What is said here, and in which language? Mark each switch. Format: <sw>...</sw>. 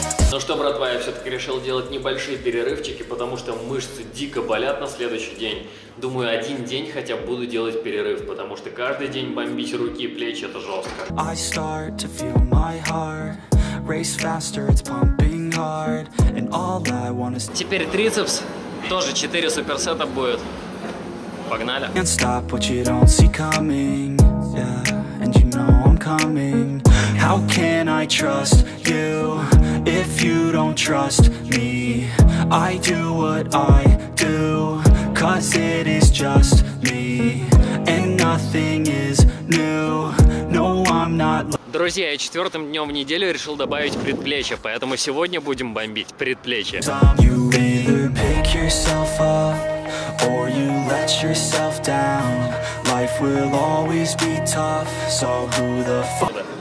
<ru>Ну что, братва, я все-таки решил делать небольшие перерывчики, потому что мышцы дико болят на следующий день. Думаю, один день хотя бы буду делать перерыв, потому что каждый день бомбить руки и плечи – это жестко.</ru> <en>I start to feel my heart, race faster, it's pumping hard, and all I wanna...</en> <ru>Теперь трицепс, тоже 4 суперсета будет. Погнали!</ru> <en>Can't stop what you don't see coming, yeah, and you know I'm coming. How can I trust you? If you don't trust me, I do what I do, 'cause it is just me, and nothing is new. No, I'm not...</en> <ru>Друзья, я четвертым днем в неделю решил добавить предплечье, поэтому сегодня будем бомбить предплечье.</ru> <en>You either pick yourself up, or you let yourself down. Life will always be tough, so who the fuck...</en>